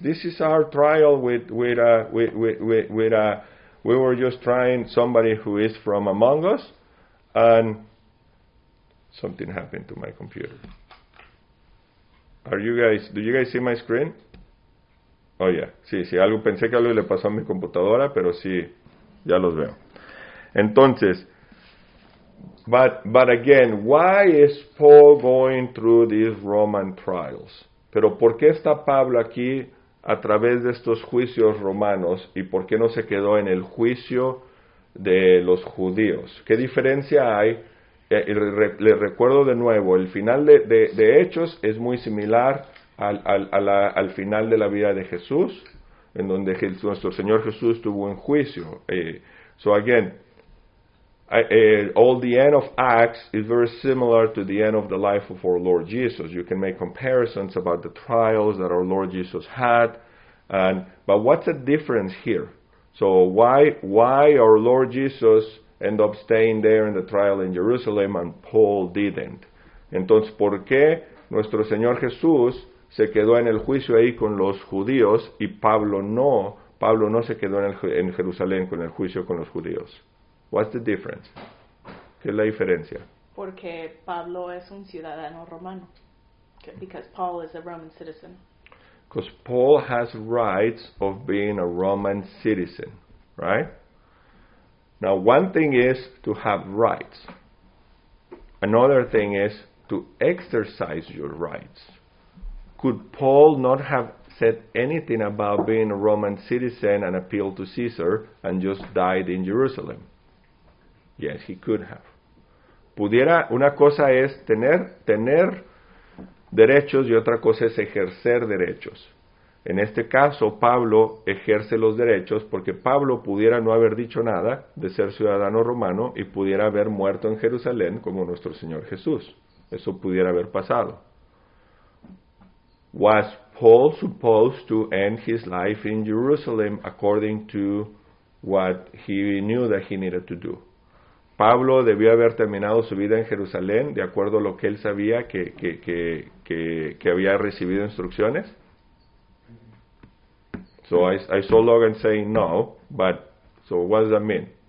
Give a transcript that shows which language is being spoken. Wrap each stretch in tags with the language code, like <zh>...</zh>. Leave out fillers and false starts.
<en>This is our trial we were just trying somebody who is from among us, and something happened to my computer. Do you guys see my screen? Oh, yeah.</en> <es>Sí, algo, pensé que algo le pasó a mi computadora, pero sí, ya los veo.</es> <en>Entonces, but again, why is Paul going through these Roman trials?</en> <es>Pero ¿por qué está Pablo aquí a través de estos juicios romanos y por qué no se quedó en el juicio de los judíos? ¿Qué diferencia hay? Le recuerdo de nuevo, el final de Hechos es muy similar al final de la vida de Jesús, en donde nuestro Señor Jesús tuvo un juicio.</es> <en>So again, all the end of Acts is very similar to the end of the life of our Lord Jesus. You can make comparisons about the trials that our Lord Jesus had. But what's the difference here? So why our Lord Jesus end up staying there in the trial in Jerusalem and Paul didn't?</en> <es>Entonces, ¿por qué nuestro Señor Jesús se quedó en el juicio ahí con los judíos y Pablo no? Pablo no se quedó en Jerusalén con el juicio con los judíos.</es> <en>What's the difference?</en> <es>¿Qué es la diferencia? Porque Pablo es un ciudadano romano.</es> <en>Because Paul is a Roman citizen. Because Paul has rights of being a Roman citizen, right? Now, one thing is to have rights. Another thing is to exercise your rights. Could Paul not have said anything about being a Roman citizen and appeal to Caesar and just died in Jerusalem? Yes, he could have.</en> <es>Pudiera, una cosa es tener derechos y otra cosa es ejercer derechos. En este caso, Pablo ejerce los derechos porque Pablo pudiera no haber dicho nada de ser ciudadano romano y pudiera haber muerto en Jerusalén como nuestro Señor Jesús. Eso pudiera haber pasado.</es> <en>Was Paul supposed to end his life in Jerusalem according to what he knew that he needed to do?</en> <es>Pablo debió haber terminado su vida en Jerusalén de acuerdo a lo que él sabía que había recibido instrucciones.</es> <en>So I saw Logan saying no, but so what does that mean?</en>